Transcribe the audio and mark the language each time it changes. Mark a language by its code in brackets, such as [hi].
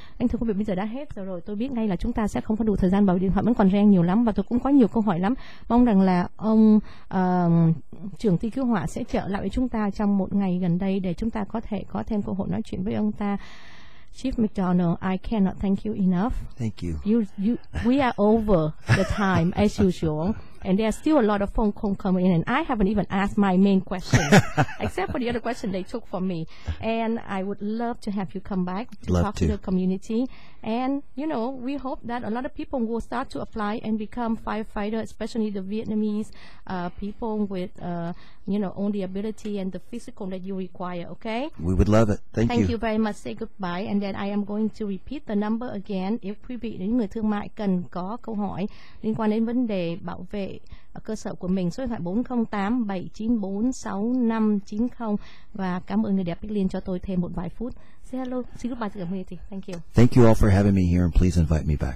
[vi] Anh thưa quý vị, bây giờ đã hết giờ rồi, tôi biết ngay là chúng ta sẽ không có đủ thời gian, bởi vì điện thoại vẫn còn reng nhiều lắm và tôi cũng có nhiều câu hỏi lắm. Mong rằng là ông trưởng ty cứu hỏa sẽ trở lại với chúng ta trong một ngày gần đây để chúng ta có thể có thêm cơ hội nói chuyện với ông ta. [en] Chief McDonald, I cannot thank you enough. Thank you. We are over the time as usual, and there are still a lot of phone calls coming in, and I haven't even asked my main question, except for the other question they took from me. And I would love to have you come back to love talk to the community. And, you know, we hope that a lot of people will start to apply and become firefighter, especially the Vietnamese people with, you know, own the ability and the physical that you require, okay? We would love it. Thank you. Thank you very much. Say goodbye. And then I am going to repeat the number again. If [vi] quý vị, những người thương mại cần có câu hỏi liên quan đến vấn đề bảo vệ cơ sở của mình, số điện thoại 408-794-6590. Và cảm ơn người đẹp Bích Liên cho tôi thêm một vài phút. [en] Say hello. See goodbye to the community. Thank you. Thank you all for having me here, and please invite me back.